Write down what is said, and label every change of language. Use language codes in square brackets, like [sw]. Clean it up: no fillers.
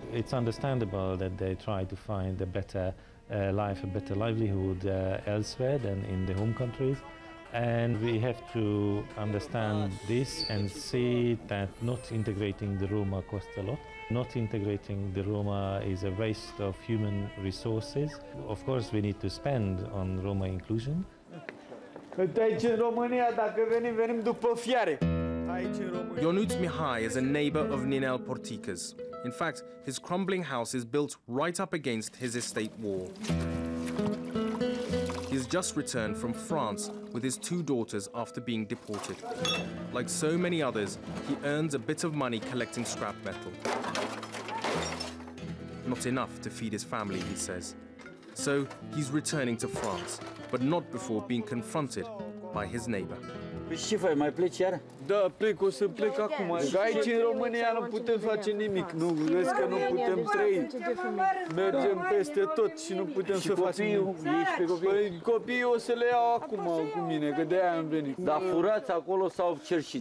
[en] It's understandable that they try to find a better life, a better livelihood elsewhere than in the home countries. And we have to understand this and see that not integrating the Roma costs a lot. Not integrating the Roma is a waste of human resources. Of course, we need to spend on Roma inclusion. [ro] Aici în România, dacă venim, venim după fiare. [en] Ionut Mihai is a neighbor of Ninel Portica's. In fact, his crumbling house is built right up against his estate wall. He has just returned from France with his two daughters after being deported. Like so many others, he earns a bit of money collecting scrap metal. Not enough to feed his family, he says. So he's returning to France, but not before being confronted by his neighbor. [ro] Ce fai, mai pleci iar? Da, plec, o să plec acum. Aici, în România, nu putem face nimic. Nu, vezi că nu putem trăi. Mergem peste tot și nu putem să facem nimic. Păi copiii o să le iau acum cu mine, că de-aia am venit. Dar furați acolo sau cerșit?